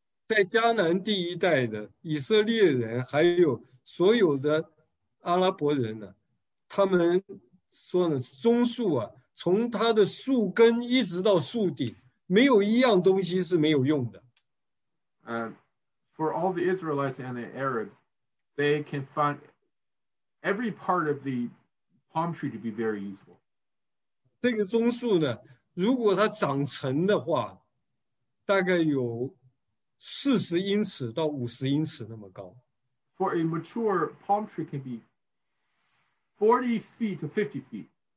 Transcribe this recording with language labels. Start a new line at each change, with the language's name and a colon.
Chinese: 在迦南第一代的以色列人，还有所有的阿拉伯人呢、啊，他们说呢，棕树啊，从它的树根一直到树顶，没有一样东西是没有用的。
English: For all the Israelites and the Arabs, they can find every part of the palm tree to be very useful.
Chinese: 这个棕树呢，如果它长成的话，大概有40英尺到50英尺那么高。
English: For a mature palm tree can be 40 feet to 50 feet.